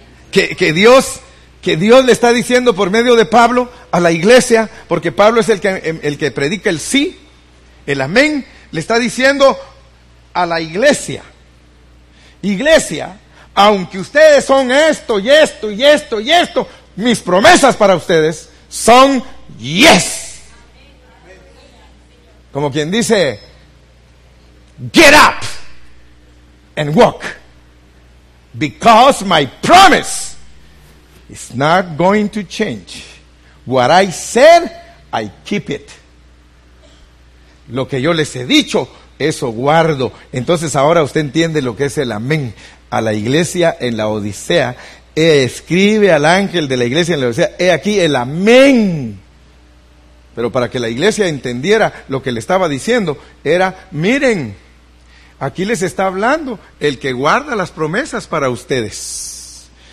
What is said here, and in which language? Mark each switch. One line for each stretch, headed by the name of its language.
Spanish: Que Dios le está diciendo por medio de Pablo a la iglesia, porque Pablo es el que predica el sí, el amén, le está diciendo a la iglesia, iglesia, aunque ustedes son esto y esto y esto y esto, mis promesas para ustedes son yes. Como quien dice,
English: get up and walk, because my promise is not going to change. What I said, I keep it.
Spanish: Lo que yo les he dicho, eso guardo. Entonces ahora usted entiende lo que es el amén a la iglesia en la Odisea, escribe al ángel de la iglesia en la Laodicea, he aquí el amén. Pero para que la iglesia entendiera lo que le estaba diciendo, era, miren, aquí les está hablando el que guarda las promesas para ustedes.